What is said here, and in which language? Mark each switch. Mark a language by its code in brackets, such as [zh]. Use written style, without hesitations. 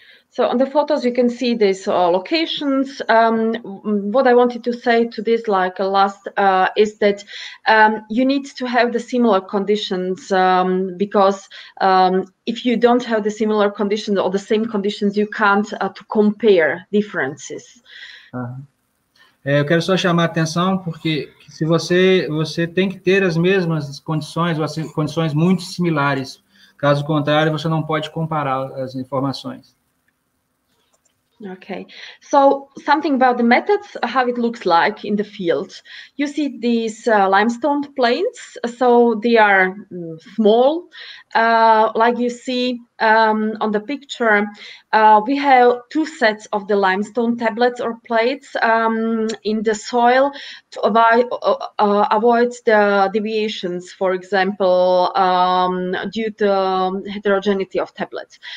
[en] So on the photos you can see these locations. What I wanted to say to this, like a last, is that you need to have the similar conditions, because if you don't have the similar conditions or the same conditions, you can't to compare differences. [pt] Uh-huh. É, eu quero só chamar a atenção porque se você tem que ter as mesmas condições ou as condições muito similares. Caso contrário, você não pode comparar as informações. [en] Okay, so something about the methods, how it looks like in the field. You see these limestone plains, so they are small, like you see on the picture. We have two sets of the limestone tablets or plates in the soil to avoid the deviations, for example, due to heterogeneity of tablets.